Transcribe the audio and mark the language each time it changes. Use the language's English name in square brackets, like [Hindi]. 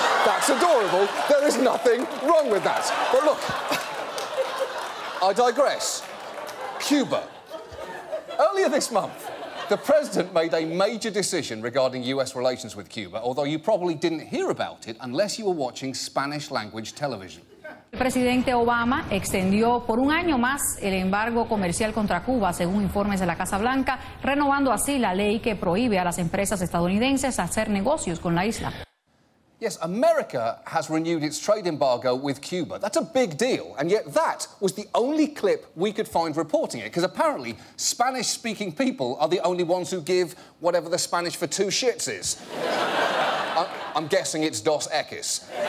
[English] That's adorable. There is nothing wrong with that. But look, I digress. Cuba. Earlier this month, the president made a major decision regarding US relations with Cuba, although you probably didn't hear about it unless you were watching Spanish language television. [Spanish] Presidente Obama extendió por un año más el embargo comercial contra Cuba, según informes de la Casa Blanca, renovando así la ley que prohíbe a las empresas estadounidenses hacer negocios con la isla. [English] Yes, America has renewed its trade embargo with Cuba. That's a big deal. And yet that was the only clip we could find reporting it, because apparently Spanish-speaking people are the only ones who give whatever the Spanish for two shits is. I'm guessing it's Dos Equis.